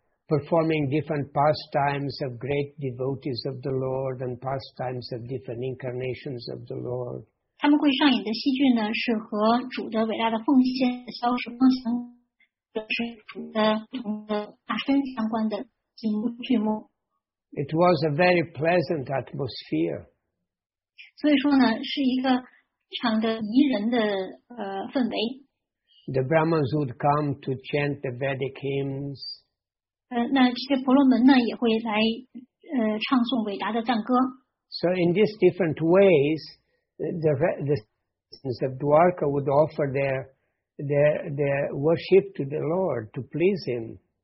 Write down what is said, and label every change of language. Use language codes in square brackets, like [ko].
[en] Performing different pastimes of great devotees of the Lord and pastimes of different incarnations of the Lord. [zh] 他们会上演的戏剧呢，是和主的伟大的奉献、消失奉献，是主的不同的化身相关的节目剧目。 [en] It was a very pleasant atmosphere. [zh] 所以说呢，是一个非常的宜人的氛围。 [en] The Brahmins would come to chant the Vedic hymns. [zh] 那这些婆罗门呢也会来唱诵伟大的赞歌。 [en] So in these different ways, the citizens of Dwarka would offer their worship to the Lord to please Him.